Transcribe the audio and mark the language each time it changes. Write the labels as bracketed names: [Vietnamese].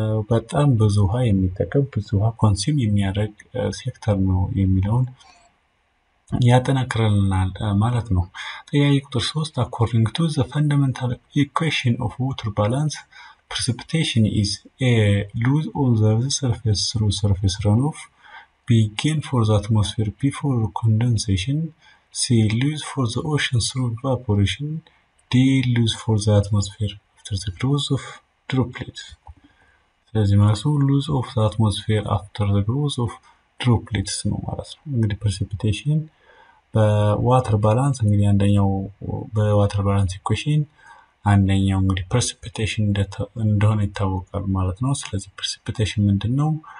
[Amharic] በጣም ብዙ ውሃ የሚጠቀም ብዙ ውሃ ኮንሱም የሚያደርግ ሴክተር ነው የሚለውን ያጠናክረልናል ማለት ነው። ጥያቄ ቁጥር 3 [English] አኮርዲንግ ቱ ዘ ፈንዳመንታል ኢኩዌሽን ኦፍ ዋተር ባላንስ Precipitation is A. lose on the surface through surface runoff, B. gain for the atmosphere before condensation, C. lose for the ocean through evaporation, D. lose for the atmosphere after the growth of droplets. [Amharic] ስለዚህ ማለት [English] lose of the atmosphere after the growth of droplets [Amharic] ነው ማለት ነው። እንግዲህ precipitation በwater balance እንግዲህ አንደኛው በwater balance equation አንደኛው እንግዲህ ፕሪሲፒቴሽን እንደሆነ ይታወቃል ማለት ነው። ስለዚህ ፕሪሲፒቴሽን ምንድን ነው?